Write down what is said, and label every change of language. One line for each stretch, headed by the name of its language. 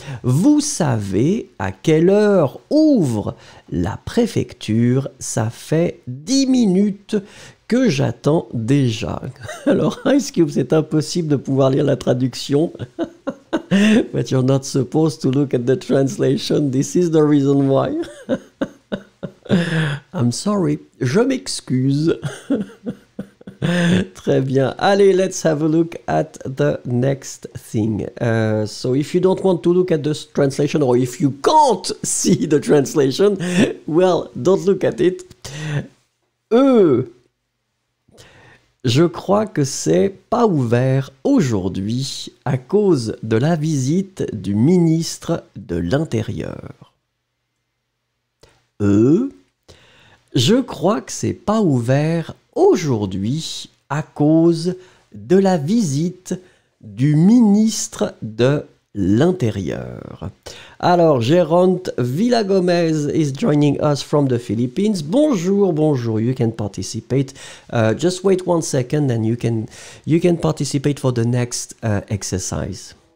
French: Vous savez à quelle heure ouvre la préfecture, ça fait 10 minutes que j'attends déjà. Alors, Ice Cube, c'est impossible de pouvoir lire la traduction.
English: But you're not supposed to look at the translation. This is the reason why. I'm sorry.
French: Je m'excuse. Très bien.
English: Allez, let's have a look at the next thing. So if you don't want to look at the translation or if you can't see the translation, well, don't look at it.
French: Je crois que c'est pas ouvert aujourd'hui à cause de la visite du ministre de l'Intérieur. Je crois que c'est pas ouvert aujourd'hui à cause de la visite du ministre de l'intérieur.
English: Alors, Geront Villagomez is joining us from the Philippines. Bonjour, bonjour, you can participate. Just wait one second and you can participate for the next exercise.